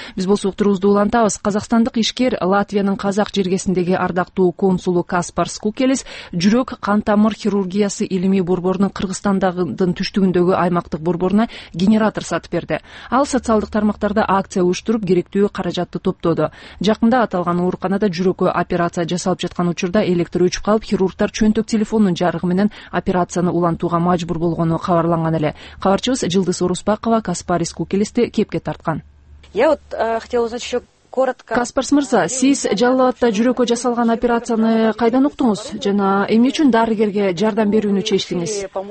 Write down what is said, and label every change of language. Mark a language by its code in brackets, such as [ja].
[ky] Биз болсо уктурубузду улантабыз. Казакстандык ишкер Латвиянын казак жергесиндеги ардактуу консулу Каспар Скукелис жүрөк кан тамыр хирургиясы илимий борборунун Кыргызстандагын түштүгүндөгү аймактык борборуна генератор сатып берди. Ал социалдык тармактарда акция уюштуруп, керектүү каражатты топтоду. Жакында аталган ооруканада жүрөккө операция жасалып жаткан учурда электр өчүп калып, хирургтар чөнтөк телефонунун жарыгы менен операцияны улантууга мажбур болгону кабарланган эле. Кабарчыбыз Жылдыз Оруспакова Каспар Скукелисти кепке тарткан. [ru] Я вот хотел узнать еще коротко. [ky] Каспар мырза, сиз Жалалабадта жүрөккө жасалган операцияны кайдан уктуңуз жана эмне үчүн дарыгерге жардам берүүнү чечтиңиз?